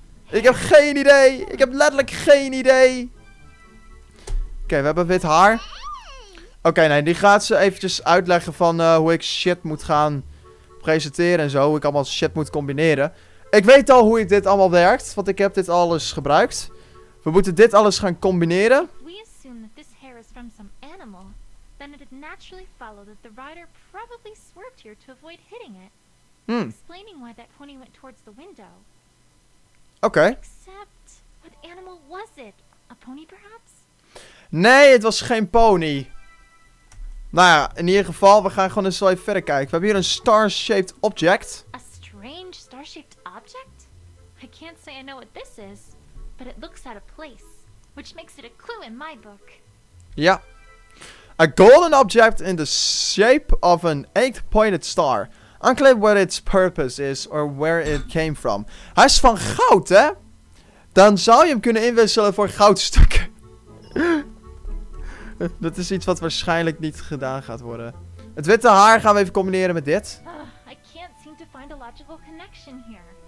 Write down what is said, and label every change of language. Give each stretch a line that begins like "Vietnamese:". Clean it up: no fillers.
Dutch: Ik heb geen idee. Ik heb letterlijk geen idee. Oké, we hebben wit haar. Oké, die gaat ze eventjes uitleggen van hoe ik shit moet gaan presenteren en zo. Hoe ik allemaal shit moet combineren. Ik weet al hoe dit allemaal werkt, want ik heb dit alles gebruikt. We moeten dit alles gaan combineren.
English: We assume that this hair is from some animal. Then it naturally followed that the rider probably swerved here to avoid hitting it. Explaining why that pony went towards the window. Oké. Except, what animal was it? A pony perhaps?
Dutch: Nee, het was geen pony. Nou ja, in ieder geval, we gaan gewoon eens wel even verder kijken. We hebben hier een star-shaped object.
English: A strange star-shaped object? I can't say I know what this is, but it looks out of place, which makes it a clue in my book. Ja. A golden object in the shape of an eight-pointed star. Unclear what its purpose is or where it came from.
Dutch: Hij is van goud, hè? Dan zou je hem kunnen inwisselen voor goudstukken. Dat is iets wat waarschijnlijk niet gedaan gaat worden. Het witte haar gaan we even combineren met dit.
English: I can't seem to find a logical connection here.